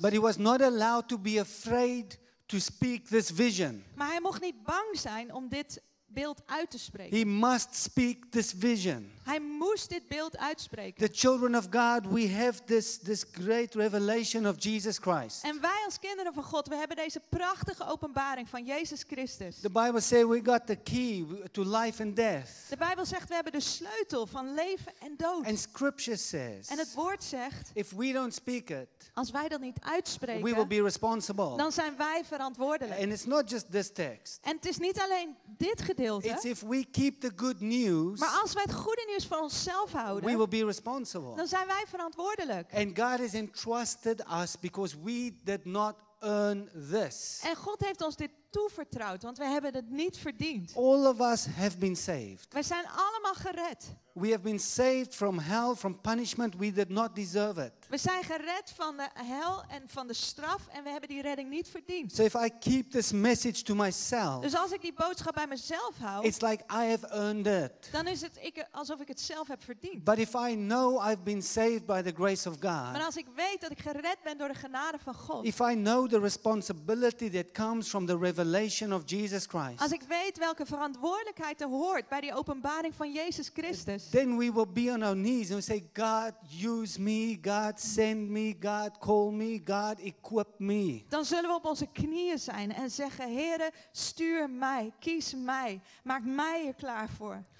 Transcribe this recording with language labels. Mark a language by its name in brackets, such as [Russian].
[English] But he was not allowed to be afraid to speak this vision. [Dutch] Maar hij mocht niet bang zijn om dit beeld uit te spreken. [English] He must speak this vision. [Dutch] Hij moest dit beeld uitspreken. [English] The children of God, we have this great revelation of Jesus Christ. [Dutch] En wij als kinderen van God, we hebben deze prachtige openbaring van Jezus Christus. [English] The Bible says we got the key to life and death. [Dutch] De Bijbel zegt we hebben de sleutel van leven en dood. [English] And Scripture says. [Dutch] En het woord zegt. [English] If we don't speak it. [Dutch] Als wij dat niet uitspreken. [English] We will be responsible. [Dutch] Dan zijn wij verantwoordelijk. [English] And it's not just this text. [Dutch] En het is niet alleen dit gedeelte. [English] It's if we keep the good news. [Dutch] Maar als wij het goede nieuws van onszelf houden. [English] We will be responsible. [Dutch] Dan zijn wij verantwoordelijk. [English] And God has entrusted us because we did not earn this. [Dutch] En God heeft ons dit toevertrouwd, want we hebben het niet verdiend. [English] All of us have been saved. [Dutch] Wij zijn allemaal gered. [English] We have been saved from hell, from punishment. We did not deserve it. [Dutch] We zijn gered van de hel en van de straf en we hebben die redding niet verdiend. [English] So if I keep this message to myself, [Dutch] dus als ik die boodschap bij mezelf hou, [English] it's like I have earned it. [Dutch] Dan is het alsof ik het zelf heb verdiend. [English] But if I know I've been saved by the grace of God, [Dutch] maar als ik weet dat ik gered ben door de genade van God, [English] if I know the responsibility that comes from the revelation of Jesus Christ, [Dutch] als ik weet welke verantwoordelijkheid er hoort bij die openbaring van Jezus Christus, [English] then we will be on our knees and we say, God, use me, God, send me, God, call me, God, equip me. [Dutch] Dan zullen we op onze knieën zijn en zeggen, Heere, stuur mij, kies mij, maak mij er klaar voor.